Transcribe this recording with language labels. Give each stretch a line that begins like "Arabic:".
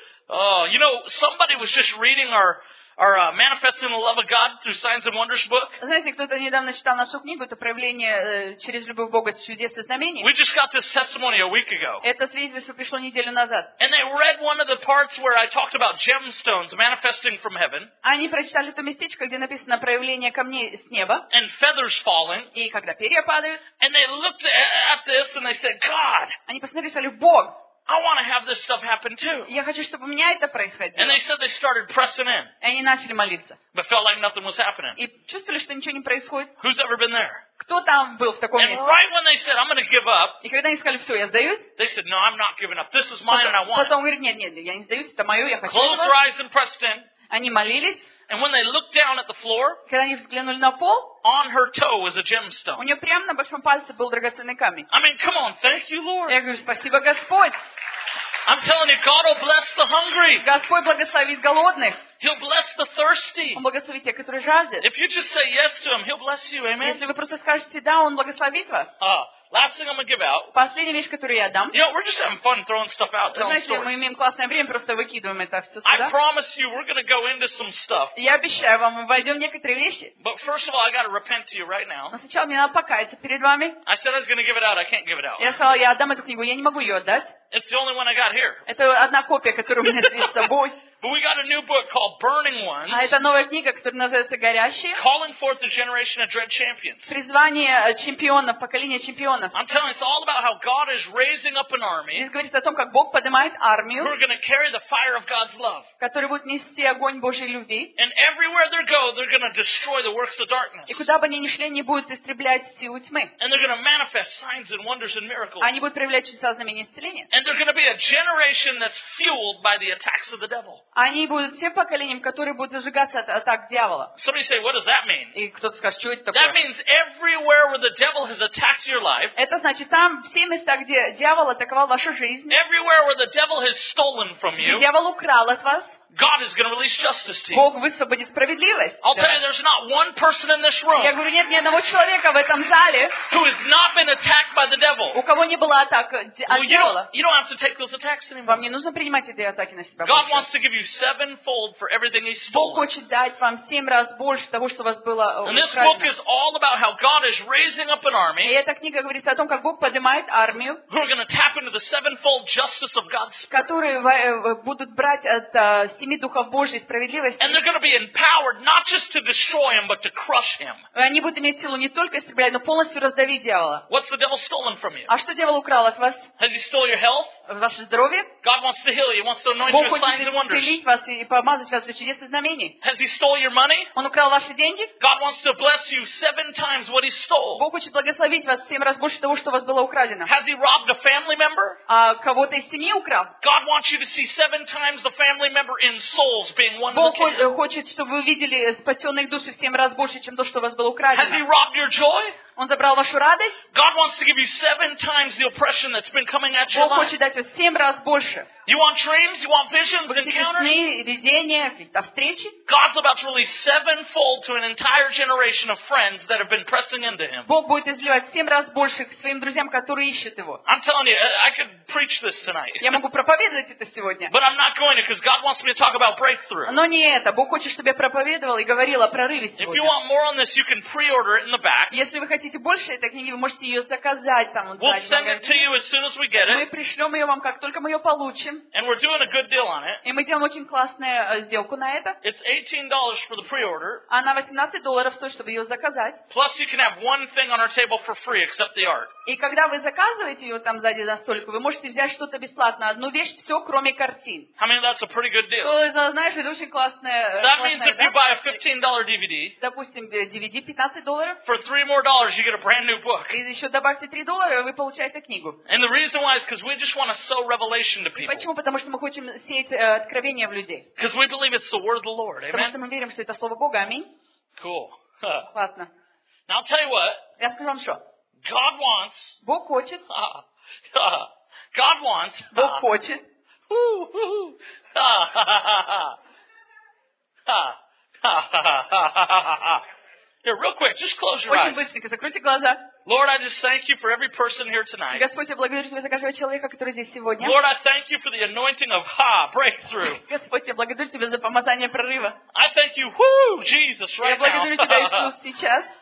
English: Oh, you know, somebody was just reading our manifesting the love of God through signs and wonders book.
Russian: Знаете, кто-то недавно читал нашу книгу, это проявление через любовь Бога, чудес и знамений.
English: We just got this testimony a week ago.
Russian: Это свидетельство пришло неделю назад.
English: And they read one of the parts where I talked about gemstones manifesting from heaven.
Russian: Они прочитали то местечко, где написано проявление камней с неба.
English: And feathers falling.
Russian: И когда перья падают.
English: And they looked at this and they said, God.
Russian: Они посмотрели и сказали, Бог.
English: I want to have this stuff happen too.
Russian: Я хочу, чтобы у меня это происходило.
English: And they said they started pressing in.
Russian: И они начали молиться.
English: But felt like nothing was happening.
Russian: И чувствовали, что ничего не происходит.
English: Who's ever been there?
Russian: Кто там был в таком месте?
English: And right when they said I'm going to give up.
Russian: И когда они сказали, все, я сдаюсь.
English: They said, no, I'm not giving up. This is mine and I want.
Russian: Потом говорит, нет, я не сдаюсь, это мое, я хочу.
English: Close your eyes and pressed in.
Russian: Они молились.
English: And when they looked down at the floor,
Russian: когда они взглянули на пол,
English: on her toe was a gemstone.
Russian: У нее прямо на большом пальце был драгоценный камень.
English: I mean, come on, thank you, Lord.
Russian: Я говорю, спасибо, Господь.
English: I'm telling you, God will bless the hungry.
Russian: Господь благословит голодных.
English: He'll bless the thirsty.
Russian: Он благословит тех, которые жаждут.
English: If you just say yes to him, he'll bless you. Amen.
Russian: Если вы просто скажете да, он благословит вас.
English: Last thing I'm gonna give out.
Russian: Последняя вещь, которую я дам.
English: You know, we're just having fun throwing stuff out, telling stories.
Russian: Знаете, мы имеем классное время, просто выкидываем это все сюда.
English: I promise you, we're gonna go into some stuff.
Russian: Я обещаю вам, мы войдем в некоторые вещи.
English: But first of all, I gotta repent to you right now.
Russian: Но сначала мне надо покаяться перед вами.
English: I said I was gonna give it out. I can't give it out.
Russian: Я сказал, я отдам эту книгу, я не могу ее отдать.
English: It's the only one I got here.
Russian: Это одна копия, которую у меня здесь с собой.
English: But we got a new book called Burning Ones.
Russian: А это новая книга, которая называется «Горящие».
English: Calling forth the generation of dread champions.
Russian: Призвание чемпионов, поколение чемпионов.
English: I'm telling you, it's all about how God is raising up an army.
Russian: Здесь говорится о том, как Бог поднимает армию.
English: Who are going to carry the fire of God's love?
Russian: Которые будут нести огонь Божьей любви.
English: And everywhere they go, they're going to destroy the works of darkness.
Russian: И куда бы они ни шли, они будут истреблять силу тьмы.
English: And they're going to manifest signs and wonders and miracles.
Russian: Они будут проявлять чудеса, знамения, исцеления.
English: And they're going to be a generation that's fueled by the attacks of the devil.
Russian: Они будут тем поколением, которые будут зажигаться от атак дьявола.
English: Somebody say, what does that mean?
Russian: И кто-то скажет, что это такое?
English: That means everywhere where the devil has attacked your life.
Russian: Это значит там все места, где дьявол атаковал вашу жизнь.
English: Everywhere where the devil has stolen from you.
Russian: Где дьявол украл от вас.
English: God is going to release justice to you.
Russian: Бог высвободит справедливость.
English: I'll tell you, there's not one person in this room.
Russian: Я говорю, нет ни одного человека в этом зале.
English: Who has not been attacked by the devil?
Russian: У кого не было атак от дьявола?
English: You don't have to take those attacks anymore.
Russian: Вам не нужно принимать эти атаки на себя.
English: God wants to give you sevenfold for everything He's stolen.
Russian: Бог хочет дать вам семь раз больше того, что у вас было украдено.
English: And this book is all about how God is raising up an army.
Russian: И эта книга говорит о том, как Бог поднимает армию.
English: Who are going to tap into the sevenfold justice of God's?
Russian: Которые будут брать от семи духов Божьей справедливости.
English: And they're going to be empowered not just to destroy him, but to crush him.
Russian: Они будут иметь силу не только истреблять, но полностью раздавить дьявола.
English: What's the devil stolen from you?
Russian: А что дьявол украл от вас?
English: Has he stole your health?
Russian: Ваше здоровье?
English: God wants to heal you. He wants to anoint your signs and wonders.
Russian: Бог хочет исцелить вас и помазать вас для чудес и знамений.
English: Has he stole your money?
Russian: Он украл ваши деньги?
English: God wants to bless you seven times what he stole.
Russian: Бог хочет благословить вас семь раз больше того, что у вас было украдено.
English: Has he robbed a family member?
Russian: А кого-то из семьи украл?
English: God wants you to see seven times the family member in souls being one.
Russian: Бог хочет, чтобы вы видели спасенных душ в семь раз больше, чем то, что у вас было украдено.
English: Has he robbed your joy?
Russian: Он забрал вашу радость?
English: God wants to give you seven times the oppression that's been coming at your life.
Russian: Бог хочет дать вас семь раз больше.
English: You want dreams? You want visions? Encounters?
Russian: Вы хотите сны, видения, какие-то встречи?
English: God's about to release sevenfold to an entire generation of friends that have been pressing into Him.
Russian: Бог будет изливать семь раз больше к своим друзьям, которые ищут Его.
English: I'm telling you, I could preach this tonight.
Russian: Я могу проповедовать это сегодня.
English: But I'm not going to, because God wants me to talk about breakthrough.
Russian: Но не это. Бог хочет, чтобы я проповедовал и говорил о прорыве сегодня.
English: If you want more on this, you can pre-order it in the back.
Russian: Если вы хотите больше этой книги, вы можете ее заказать там.
English: We'll send it to you as soon as we get it.
Russian: Мы пришлем ее вам, как только мы ее получим.
English: And we're doing a good deal on it.
Russian: И мы делаем очень классную сделку на это.
English: It's $18 for the pre-order.
Russian: Она $18 стоит, чтобы ее заказать.
English: Plus you can have one thing on our table for free, except the art.
Russian: И когда вы заказываете ее там сзади за столику, вы можете взять что-то бесплатно, одну вещь, все, кроме картин.
English: I mean, that's a pretty good deal.
Russian: То, знаешь, это очень классная.
English: So that means if you buy a $15 DVD.
Russian: Допустим, DVD $15.
English: For $3 more, you get a brand new book.
Russian: И еще добавьте $3, вы получаете книгу.
English: And the reason why is because we just want to sow revelation to people.
Russian: Почему? Потому что мы хотим сеять откровение в людей.
English: Because we believe it's the word of the Lord. Amen.
Russian: Потому что мы верим, что это слово Бога. Аминь.
English: Cool.
Russian: Классно.
English: Now I'll tell you what.
Russian: Я скажу вам что.
English: God wants.
Russian: Бог хочет.
English: God wants.
Russian: Бог хочет.
English: Here, real quick, just close your eyes.
Russian: Очень быстренько, закройте глаза.
English: Lord, I just thank you for every person here tonight.
Russian: Господь, я благодарю тебя за каждого человека, который здесь сегодня.
English: Lord, I thank you for the anointing of breakthrough.
Russian: Господь, я благодарю тебя за помазание прорыва.
English: I thank you, whoo, Jesus, right now.
Russian: Я благодарю тебя, Иисус, сейчас.